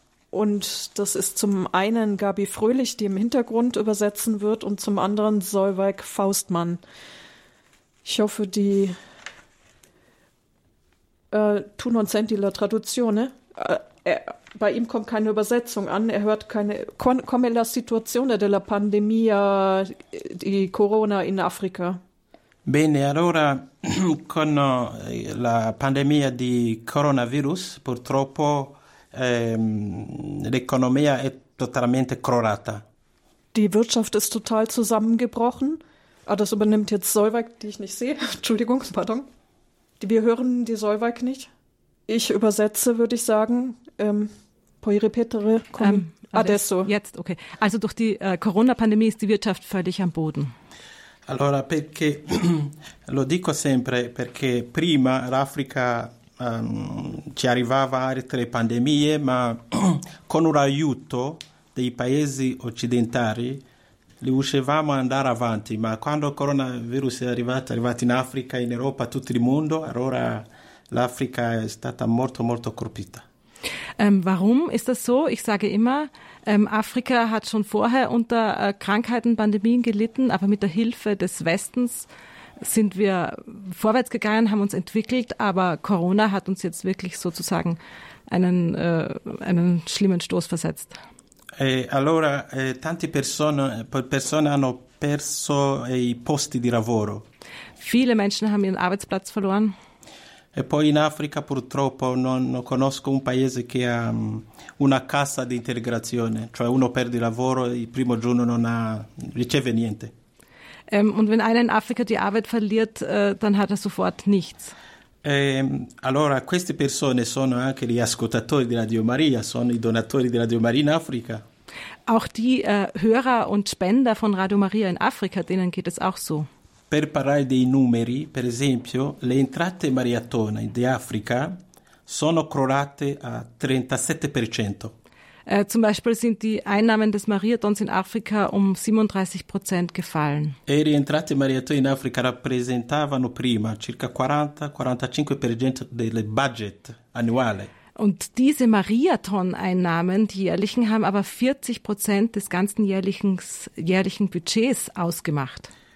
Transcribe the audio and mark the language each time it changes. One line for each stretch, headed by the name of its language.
German: Und das ist zum einen Gabi Fröhlich, die im Hintergrund übersetzen wird, und zum anderen Solveig Faustmann. Ich hoffe, die
Italian: tu non senti la traduzione.
German: Bei ihm kommt keine Übersetzung an. Er hört keine.
Italian: Come la situazione della pandemia di Corona in Africa? Bene, allora con la pandemia di coronavirus, purtroppo l'economia è totalmente crollata.
German: Die Wirtschaft ist total zusammengebrochen. Ah, das übernimmt jetzt Solveig, die ich nicht sehe. Entschuldigung, pardon. Wir hören die Solveig nicht. Ich übersetze, würde ich sagen.
Italian: Poi ripetere. Adesso.
German: Jetzt, okay. Also durch die Corona-Pandemie ist die Wirtschaft völlig am Boden.
Italian: Allora, perché lo dico sempre, perché prima l'Africa ci arrivava altre pandemie, ma con un aiuto dei paesi occidentali riuscivamo ad andare avanti, ma quando il coronavirus è arrivato in Africa, in Europa, tutto il mondo, allora l'Africa è stata molto, molto colpita.
German: Warum ist das so? Ich sage immer, Afrika hat schon vorher unter Krankheiten, Pandemien gelitten, aber mit der Hilfe des Westens sind wir vorwärts gegangen, haben uns entwickelt, aber Corona hat uns jetzt wirklich sozusagen einen schlimmen Stoß versetzt.
Italian: Allora, tante persone hanno perso i posti di lavoro.
German: Viele Menschen haben ihren Arbeitsplatz verloren.
Italian: E poi in Africa purtroppo non conosco un paese che ha una cassa di integrazione, cioè uno perde il lavoro e il primo giorno non riceve niente.
German: Und wenn einer in Afrika die Arbeit verliert, dann hat er sofort nichts.
Italian: Allora queste persone sono anche gli ascoltatori di Radio Maria, sono i donatori di Radio Maria in Africa.
German: Auch die Hörer und Spender von Radio Maria in Afrika, denen geht es auch so.
Italian: Per parlare dei numeri, per esempio, le entrate mariatone di Africa sono crollate a 37%.
German: Zum Beispiel sind die Einnahmen des Mariatons in Afrika um 37% gefallen.
Italian: E le entrate mariatone in Africa rappresentavano prima circa 40-45% del budget annuale.
German: Und diese Mariaton-Einnahmen, die jährlichen, haben aber 40% des ganzen jährlichen Budgets ausgemacht.